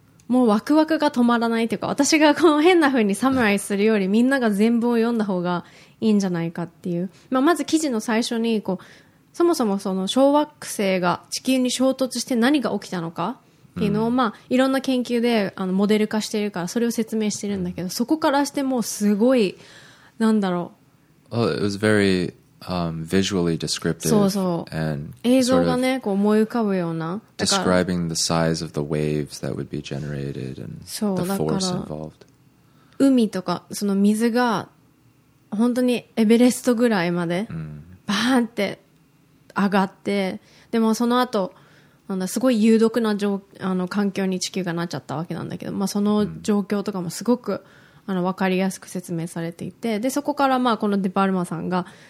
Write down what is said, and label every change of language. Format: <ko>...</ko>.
<ja>もうワクワクが止まらないというか、私がこの変な風にサムライするよりみんなが全文を読んだ方がいいんじゃないかっていう、まあ、まず記事の最初にこうそもそもその小惑星が地球に衝突して何が起きたのかっていうのを、まあいろんな研究であのモデル化してるからそれを説明してるんだけど、そこからしてもうすごいなんだろう、</ja> <en>Well, it was very, visually descriptive.</en> <ja>そうそう、</ja> <en>and</en> <ja>映像がね、こう思い浮かぶような、</ja> <en>Describing the size of the waves that would be generated and the force involved.</en> <ja>海とかその水が本当にエベレストぐらいまでバーンって上がって、でもその後なんだすごい有毒なあの環境に地球がなっちゃったわけなんだけど、まあ、その状況とかもすごくあの分かりやすく説明されていて、でそこからまあこのデパルマさんが</ja>